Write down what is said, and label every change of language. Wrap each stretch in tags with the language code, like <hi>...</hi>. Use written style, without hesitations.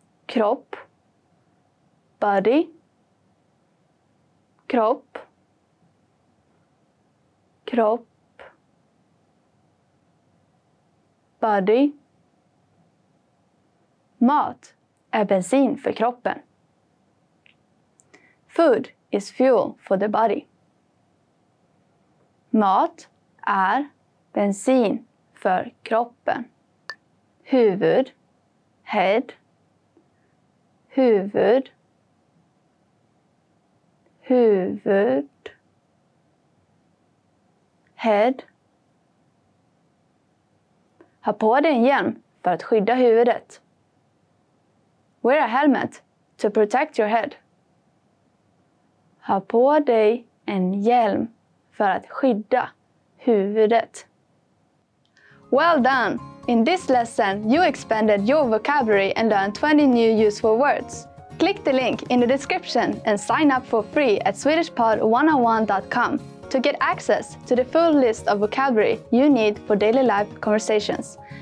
<sv>kropp,</sv> <en>body,</en> <sv>kropp, kropp, body. Mat är bensin för kroppen.</sv> <en>Food is fuel for the body.</en> <sv>Mat är bensin för kroppen. Huvud,</sv> <en>head.</en> <sv>Huvud, huvud.</sv> <en>Head.</en> <sv>Ha på dig en hjälm för att skydda huvudet.</sv> <en>Wear a helmet to protect your head.</en> <sv>Ha på dig en hjälm för att skydda huvudet.</sv> <en>Well done! In this lesson, you expanded your vocabulary and learned 20 new useful words. Click the link in the description and sign up for free at SwedishPod101.com to get access to the full list of vocabulary you need for daily life conversations.</en>